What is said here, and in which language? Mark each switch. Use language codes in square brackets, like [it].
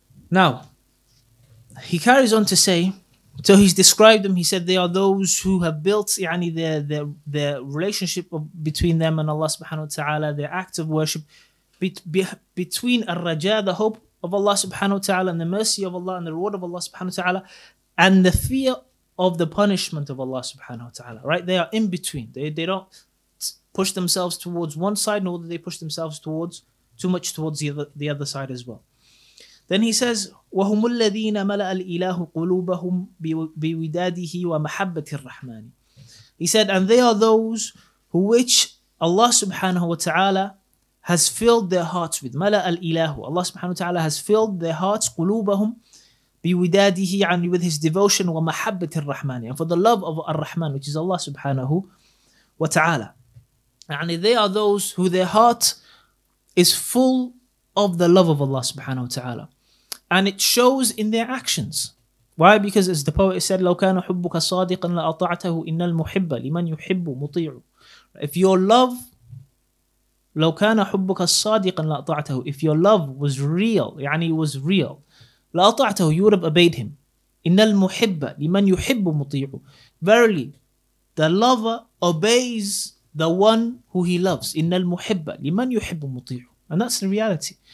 [en] Now, he carries on to say, so he's described them, he said, they are those who have built their relationship between them and Allah subhanahu wa ta'ala, their act of worship, between al-raja, the hope of Allah subhanahu wa ta'ala, and the mercy of Allah and the reward of Allah subhanahu wa ta'ala, and the fear of the punishment of Allah subhanahu wa ta'ala. Right? They are in between. They don't push themselves towards one side, nor do they push themselves too much towards the other side as well. Then he says, [ar] وَهُمُ الَّذِينَ مَلَأَ الْإِلَهُ قُلُوبَهُمْ بِوِدَادِهِ وَمَحَبَّةِ الرَّحْمَنِ. [en] He said, and they are those who which Allah subhanahu wa ta'ala has filled their hearts with. [ar] مَلَأَ الْإِلَهُ. [en] Allah subhanahu wa ta'ala has filled their hearts, [ar] قُلُوبَهُمْ بِوِدَادِهِ, [en] and with his devotion, [ar] وَمَحَبَّةِ الرَّحْمَنِ, [en] and for the love of Ar-Rahman, which is Allah subhanahu wa ta'ala. And they are those who their heart is full of the love of Allah subhanahu wa ta'ala. And it shows in their actions. Why? Because as the poet said, [ar] لَوْ كَانَ حُبُّكَ صَادِقًا لَأَطَعْتَهُ إِنَّ الْمُحِبَّ لِمَنْ يُحِبُّ مُطِيعُ. [en] If your love, [ar] لَوْ كَانَ حُبُّكَ صَادِقًا لَأَطَعْتَهُ. [en] If your love was real, يعني was real, [ar] لَأَطَعْتَهُ, [en] you would have obeyed him. [ar] إِنَّ الْمُحِبَّ لِمَنْ يُحِبُّ مُطِيعُ. [en] Verily, the lover obeys the one who he loves. [ar] إِنَّ الْمُحِبَّ لِمَنْ يُحِبُّ مُطِيعُ. [en] And that's the reality.